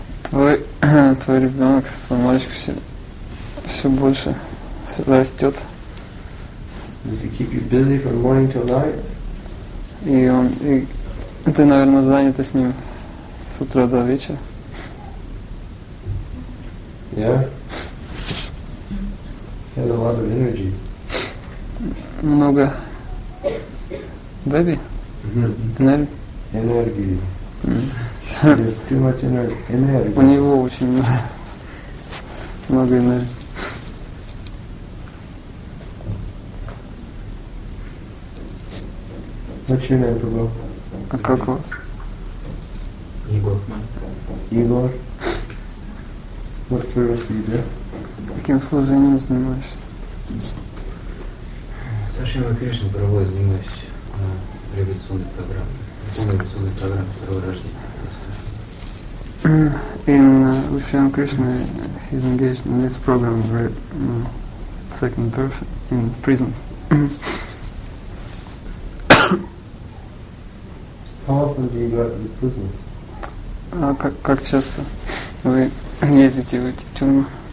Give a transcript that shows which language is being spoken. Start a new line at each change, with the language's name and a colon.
Russian: Твой ребенок, твой мальчик все больше растет.
English: Does it keep you busy from morning till night?
Russian: И он, и ты, наверное, занята с ним с утра до вечера.
English: Yeah. Has a lot of energy.
Russian: Много. Baby. Энергии. Энергии.
English: Too much energy.
Russian: У него очень много энергии.
English: What's your name, Prabhu?
Russian: А как вас? Егор.
English: Егор. What service do you do?
Russian: Каким служением занимаешься? Со Шримой Кришной Прабху я занимаюсь революционной программой. Революционной программой второго рождения.
English: In with Shyam Krishna, he's engaged in this program of second birth in prisons. How often do you go to the prisons?
Russian: Как часто вы ездите в эти тюрьмы?